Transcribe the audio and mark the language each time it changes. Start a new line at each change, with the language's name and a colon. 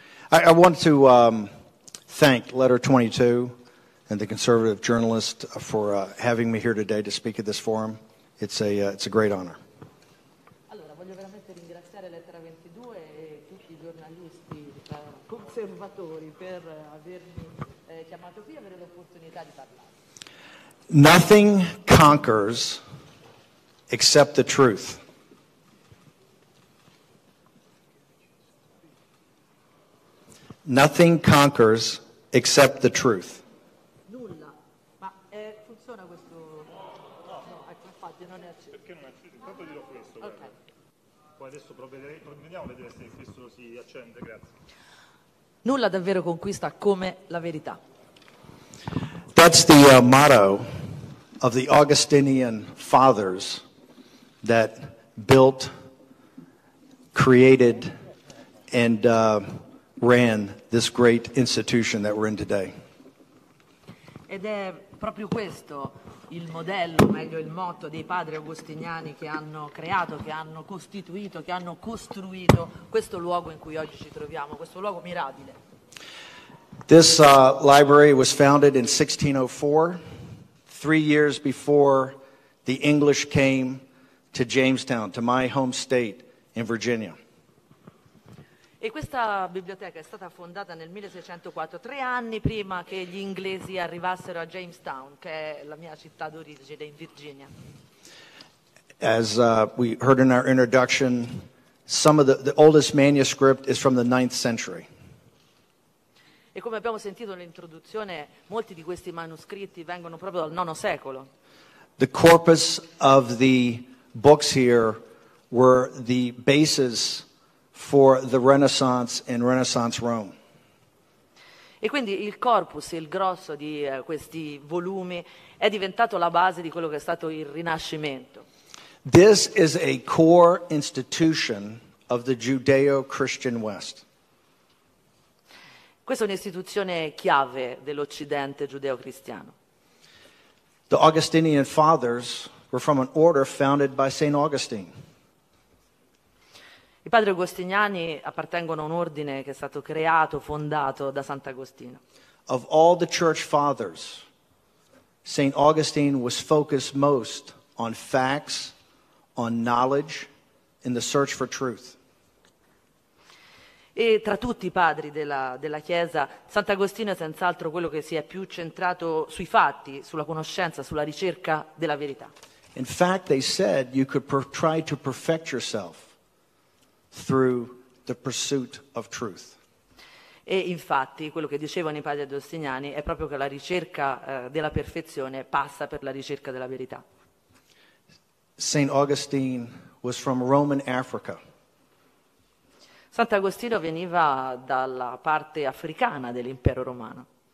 English: I want to thank Letter 22 and the conservative journalist for having me here today to speak at this forum. It's a great honor.
Italian: Allora, voglio veramente... ovviamente ringraziare Lettera 22 e tutti i giornalisti conservatori per avermi chiamato qui e avere l'opportunità di parlare.
English: Nothing conquers except the truth. Nothing conquers except the truth.
Italian: Nulla. Ma funziona questo? No, ecco, infatti non è accesso. Perché non è accesso? Intanto dirò questo. Ok. Poi adesso proviamo a vedere se il Cristo si accende, grazie. Nulla davvero conquista come la verità.
English: That's the motto of the Augustinian fathers that built, created, and ran this great institution that we're in today.
Italian: Ed è proprio questo il modello, meglio il motto dei padri agostiniani che hanno creato, che hanno costituito, che hanno costruito questo luogo in cui oggi ci troviamo, questo luogo mirabile.
English: This library was founded in 1604, 3 years before the English came to Jamestown, to my home state in Virginia.
Italian: E questa biblioteca è stata fondata nel 1604, 3 anni prima che gli inglesi arrivassero a Jamestown, che è la mia città d'origine in Virginia.
English: As we heard in our introduction, some of the oldest manuscript is from the 9th century.
Italian: E come abbiamo sentito nell'introduzione, molti di questi manoscritti vengono proprio dal IX secolo.
English: The corpus of the books here were the basis for the Renaissance and Renaissance Rome.
Italian: E quindi il corpus, il grosso di questi volumi è diventato la base di quello che è stato il Rinascimento.
English: This is a core institution of the Judeo-Christian West.
Italian: Questa è un'istituzione chiave dell'Occidente giudeo-cristiano.
English: The Augustinian fathers were from an order founded by Saint Augustine.
Italian: I padri agostiniani appartengono a un ordine che è stato creato, fondato da Sant'Agostino.
English: Of all the church fathers, Saint Augustine was focused most on facts, on knowledge, in the search for truth.
Italian: E tra tutti i padri della Chiesa, Sant'Agostino è senz'altro quello che si è più centrato sui fatti, sulla conoscenza, sulla ricerca della verità.
English: In fact, they said you could try to perfect yourself through the pursuit of truth.
Italian: E infatti quello che dicevano i padri agostiniani è proprio che la ricerca della perfezione passa per la ricerca della verità.
English: Saint Augustine was from Roman Africa.
Italian: Sant'Agostino veniva dalla parte africana dell'impero romano.